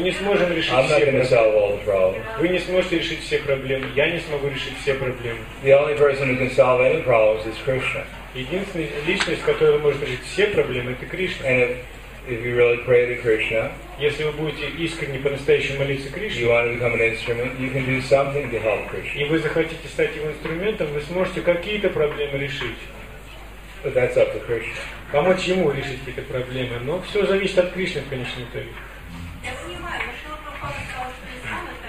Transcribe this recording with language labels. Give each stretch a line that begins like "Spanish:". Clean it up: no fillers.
Russian: не сможем решить все проблемы. Вы не сможете решить все проблемы. Я не смогу решить все проблемы.
English: The only person who can solve any problems is Krishna.
Russian: Единственная личность, которая может решить все проблемы, это Кришна.
English: And if you really pray to Krishna,
Russian: если вы будете искренне по-настоящему молиться Кришне,
English: you want to become an instrument, you can do something to help Krishna.
Russian: И вы захотите стать его инструментом, вы сможете какие-то проблемы решить.
English: But that's up to Krishna.
Russian: Помочь ему решить какие-то проблемы. Но все зависит от Кришны в конечном итоге. Я понимаю, но Шрила Прабхупада сказал, что Исан — это дом, в котором